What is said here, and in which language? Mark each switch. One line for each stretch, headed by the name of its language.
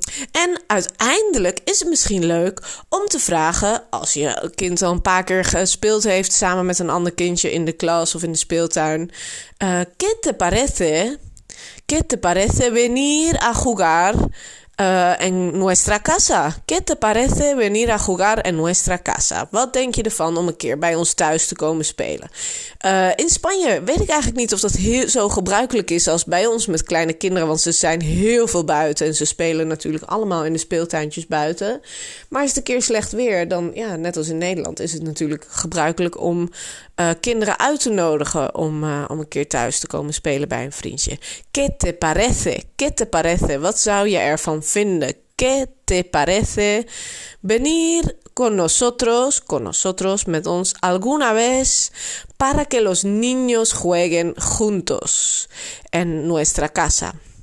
Dutch: En uiteindelijk is het misschien leuk om te vragen, als je kind al een paar keer gespeeld heeft samen met een ander kindje in de klas of in de speeltuin.
Spanish: ¿Qué te parece venir a jugar en nuestra casa? ¿Qué te parece venir a jugar en nuestra casa?
Dutch: Wat denk je ervan om een keer bij ons thuis te komen spelen? In Spanje weet ik eigenlijk niet of dat heel zo gebruikelijk is als bij ons met kleine kinderen, want ze zijn heel veel buiten en ze spelen natuurlijk allemaal in de speeltuintjes buiten. Maar is het een keer slecht weer, dan ja, net als in Nederland, is het natuurlijk gebruikelijk om kinderen uit te nodigen om een keer thuis te komen spelen bij een vriendje.
Spanish: ¿Qué te parece? ¿Qué te parece?
Dutch: Wat zou je ervan vinden?
Spanish: ¿Qué te parece venir con nosotros,
Dutch: met ons,
Spanish: alguna vez, para que los niños jueguen juntos en nuestra casa?